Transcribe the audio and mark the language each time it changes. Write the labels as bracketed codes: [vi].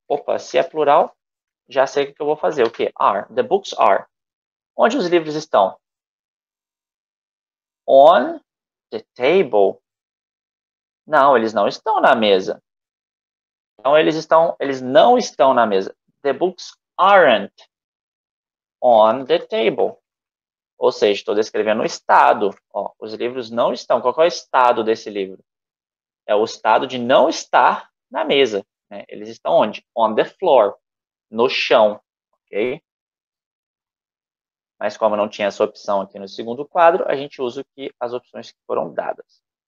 [pt] Opa, se é plural, já sei o que eu vou fazer. O quê? [en] Are. The books are. [pt] Onde os livros estão? [en] On the table. [pt] Não, eles não estão na mesa. Então, eles não estão na mesa. [en] The books aren't on the table. [pt] Ou seja, estou descrevendo o estado. Ó, os livros não estão. Qual é o estado desse livro? É o estado de não estar na mesa. Né? Eles estão onde? [en] On the floor. [pt] No chão. Ok? Mas como não tinha essa opção aqui no segundo quadro, a gente usa aqui as opções que foram dadas.